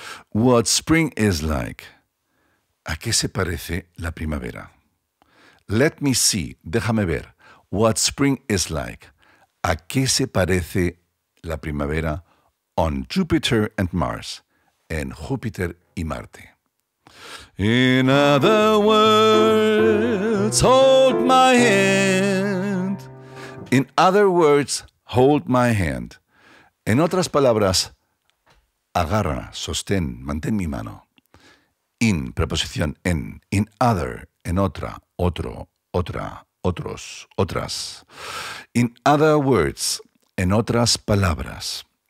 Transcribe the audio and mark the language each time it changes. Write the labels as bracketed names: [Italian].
[English] What spring is like. [Spanish] ¿A qué se parece la primavera? [English] Let me see. [Spanish] Déjame ver. [English] What spring is like. [Spanish] ¿A qué se parece la primavera [English] on Jupiter and Mars? [Spanish] En Júpiter y Marte. [English] In other words, hold my hand. In other words, hold my hand. [Spanish] En otras palabras, agarra, sostén, mantén mi mano. In, preposición en. [English] In other, [Spanish] en otra, otro, otra, otros, otras. [English] In other words, [Spanish] en otras palabras.